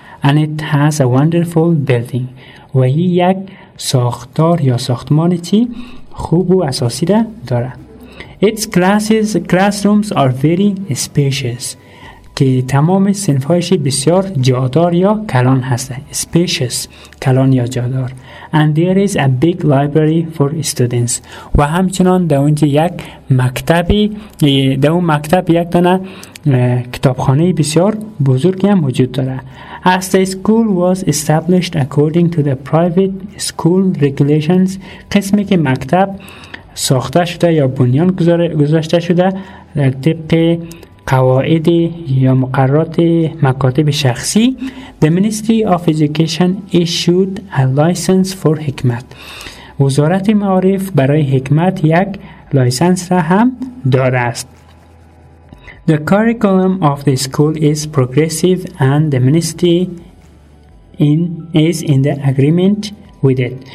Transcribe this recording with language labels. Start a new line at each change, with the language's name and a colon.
English: And it has a wonderful building.
Persian: و یه یک ساختار یا ساختمان چی خوب و اساسی داره.
English: Its classrooms are very spacious.
Persian: که تمام صنفهایش بسیار جادار یا کلان هسته. Spacious. کلان یا جادار.
English: And there is a big library for students.
Persian: و همچنان در اونجا یک مکتبی در اون مکتب یک دانه کتابخانه بسیار بزرگی هم وجود داره.
English: As the school was established according to the private school regulations,
Persian: قسمی که مکتب ساخته شده یا بنیان گذاشته شده در طبق قواعد یا مقررات مکاتب شخصی,
English: the Ministry of Education issued a license for حکمت.
Persian: وزارت معارف برای حکمت یک لایسنس را هم داره است.
English: The curriculum of the school is progressive and the ministry is in the agreement with it.